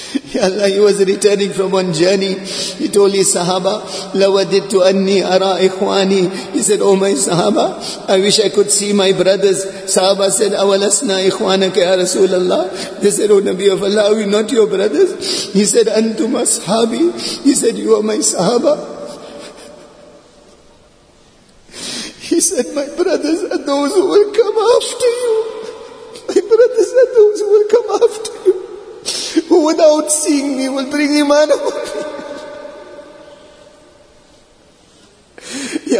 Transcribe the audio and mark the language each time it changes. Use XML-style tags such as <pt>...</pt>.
<en>Ya Allah, he was returning from one journey. He told his sahaba,</en> <ar>لَوَدِدْتُ أَنِّي أَرَىٰ إِخْوَانِي.</ar> <en>He said, oh my sahaba, I wish I could see my brothers. Sahaba said,</en> <ar>أَوَلَسْنَا إِخْوَانَكَ يَا رَسُولَ اللَّهِ.</ar> <en>They said, oh Nabi of Allah, are we not your brothers? He said,</en> <ar>أَنْتُمْ أَصْحَابِ.</ar> <en>He said, you are my sahaba. He said, my brothers are those who will come after you. My brothers are those who will come after you. Who without seeing me will bring iman upon me.</en>